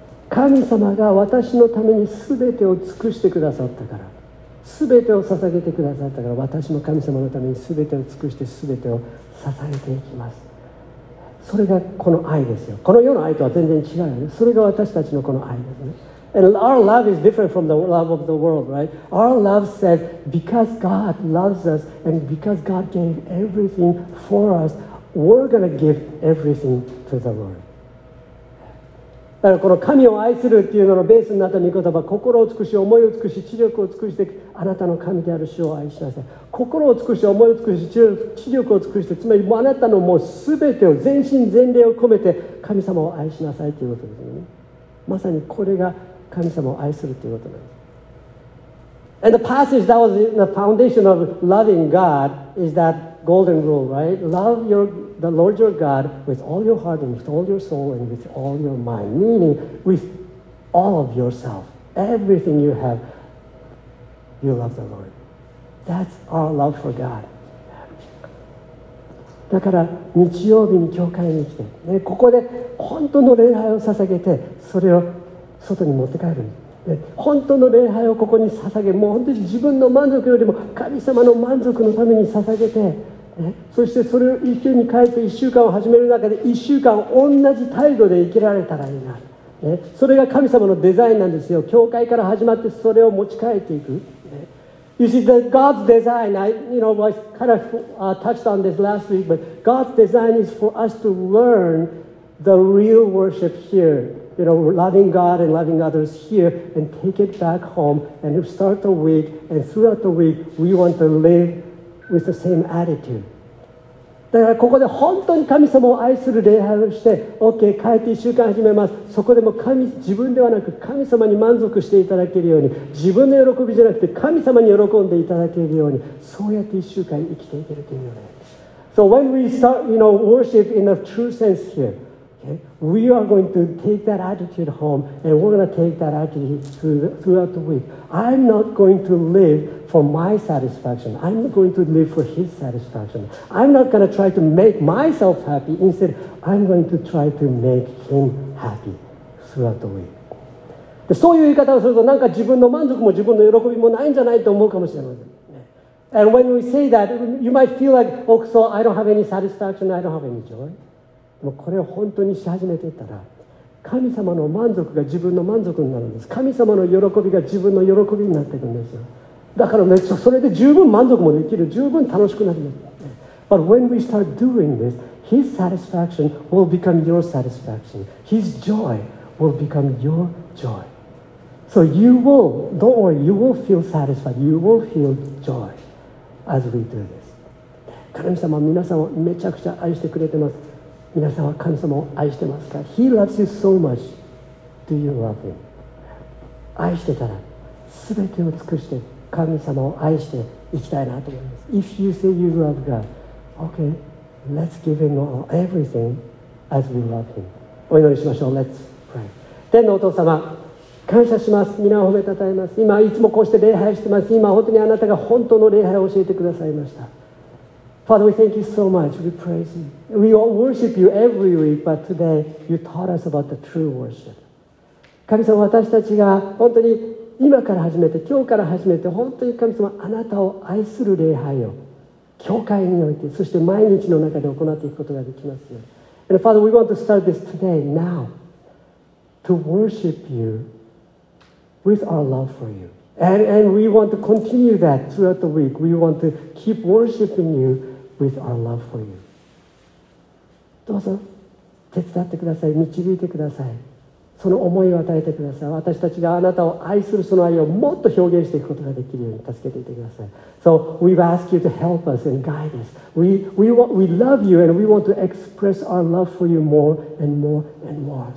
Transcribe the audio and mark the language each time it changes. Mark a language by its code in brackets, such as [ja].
[ja] 神様が私のために全てを尽くしてくださったから、全てを捧げてくださったから、私も神様のために全てを尽くして全てを捧げていきます。それがこの愛ですよ。この世の愛とは全然違うよね。それが私たちのこの愛ですね。 [en] And our love is different from the love of the world, right? Our love says, because God loves us and because God gave everything for us,We're gonna give everything to the Lord. [ja] だからこの神を愛するっていうののベースになった御言葉、心を尽くし、思いを尽くし、知力を尽くして、あなたの神である主を愛しなさい。心を尽くし、思いを尽くし、知力を尽くして、つまりもうあなたのもう全てを全身全霊を込めて神様を愛しなさいということですね。まさにこれが神様を愛するということなんです。 [en] And the passage that was the foundation of loving God is that golden rule, right? Love your, the Lord your God with all your heart and with all your soul and with all your mind. Meaning, with all of yourself, everything you have, you love the Lord. That's our love for God. [ja] だから日曜日に教会に来て、ね、ここで本当の礼拝を捧げて、それを外に持って帰るんです。本当の礼拝をここに捧げ、もう本当に自分の満足よりも神様の満足のために捧げて、そしてそれを一週に帰って一週間を始める中で一週間同じ態度で生きられたらいいな。それが神様のデザインなんですよ。教会から始まってそれを持ち帰っていく。 [en] You see, that God's design, I, you know, I kind of touched on this last week, but God's design is for us to learn the real worship here. You know, loving God and loving others here and take it back home and start the week and throughout the week we want to live with the same attitude. [ja] だからここで本当に神様を愛する礼拝をして OK 帰って1週間始めます。そこでも神自分ではなく神様に満足していただけるように、自分の喜びじゃなくて神様に喜んでいただけるように、そうやって1週間生きていけるというよね。 [en] So when we start, you know, worship in a true sense hereOkay. We are going to take that attitude home and we're going to take that attitude throughout the week. I'm not going to live for my satisfaction. I'm not going to live for his satisfaction. I'm not going to try to make myself happy. Instead, I'm going to try to make him happy throughout the week. [ja] でそういう言い方をするとなんか自分の満足も自分の喜びもないんじゃないと思うかもしれません。 [en] And when we say that, you might feel like, oh, so I don't have any satisfaction, I don't have any joy. [ja] もうこれを本当にし始めていったら、神様の満足が自分の満足になるんです。神様の喜びが自分の喜びになっていくんですよ。だからめっちゃそれで十分満足もできる、十分楽しくなります。 [en] But when we start doing this, His satisfaction will become your satisfaction. His joy will become your joy. So you will, don't worry, you will feel satisfied. You will feel joy as we do this. [ja] 神様は皆さんをめちゃくちゃ愛してくれてます。皆さんは神様を愛してますか? [en] He loves you so much. Do you love him? [ja] 愛してたら、すべてを尽くして神様を愛していきたいなと思います。 [en] If you say you love God, okay, let's give him all, everything as we love him. [ja] お祈りしましょう。 [en] Let's pray. [ja] 天のお父様、感謝します。皆を褒めたたえます。今いつもこうして礼拝してます。今本当にあなたが本当の礼拝を教えてくださいました。 [en] Father, we thank you so much. We praise you. We all worship you every week, but today you taught us about the true worship. [ja] 神様、私たちが本当に今から始めて、今日から始めて、本当に神様、あなたを愛する礼拝を教会において、そして毎日の中で行っていくことができますように。 [en] And Father, we want to start this today, now. to worship you with our love for you. And we want to continue that throughout the week. We want to keep worshiping you with our love for you. [ja] どうぞ手伝ってください。導いてください。その思いを与えてください。私たちがあなたを愛するその愛をもっと表現していくことができるように助けていてください。 [en] So we've asked you to help us and guide us. We love you and we want to express our love for you more and more and more.